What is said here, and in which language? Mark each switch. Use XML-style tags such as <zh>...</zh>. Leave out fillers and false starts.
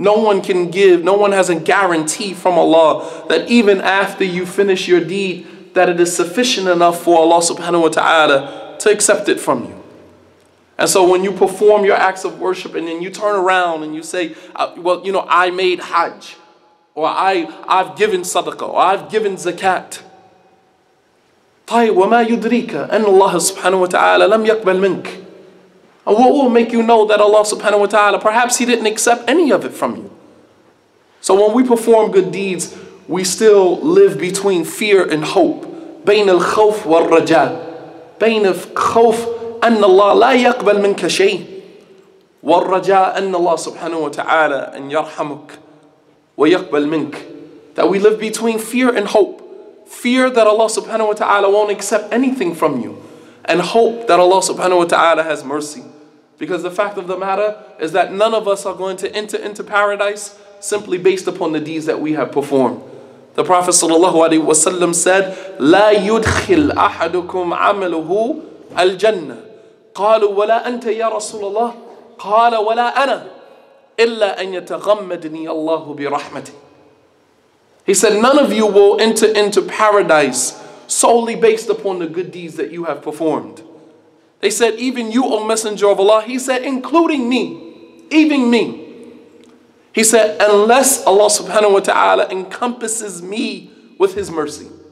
<en>No one has a guarantee from Allah that even after you finish your deed, that it is sufficient enough for Allah subhanahu wa ta'ala to accept it from you. And so when you perform your acts of worship and then you turn around and you say, well, you know, I made hajj, or I've given sadaqah, or I've given zakat.</en> <ar>طيب وما يدريك أن الله سبحانه وتعالى لم يقبل منك.</ar> <en>And what will make you know that Allah subhanahu wa ta'ala, perhaps He didn't accept any of it from you. So when we perform good deeds, we still live between fear and hope.</en> <ar>بين الخوف والرجاء. بين الخوف أن الله لا يقبل منك شيء. والرجاء أن الله سبحانه وتعالى أن يرحمك ويقبل منك.</ar> <en>That we live between fear and hope. Fear that Allah subhanahu wa ta'ala won't accept anything from you, and hope that Allah subhanahu wa ta'ala has mercy. Because the fact of the matter is that none of us are going to enter into paradise simply based upon the deeds that we have performed. The Prophet sallallahu alaihi wasallam said,</en> <ar>لَا يُدْخِلْ أَحَدُكُمْ عَمَلُهُ الْجَنَّةِ قَالُوا وَلَا أَنْتَ يَا رَسُولَ اللَّهِ قَالَ وَلَا أَنَا إِلَّا أَنْ يَتَغَمَّدْنِي اللَّهُ بِرَحْمَتِهِ.</ar> <en>He said, none of you will enter into paradise solely based upon the good deeds that you have performed. They said, even you, O Messenger of Allah, he said, including me, even me. He said, unless Allah subhanahu wa ta'ala encompasses me with His mercy.</en>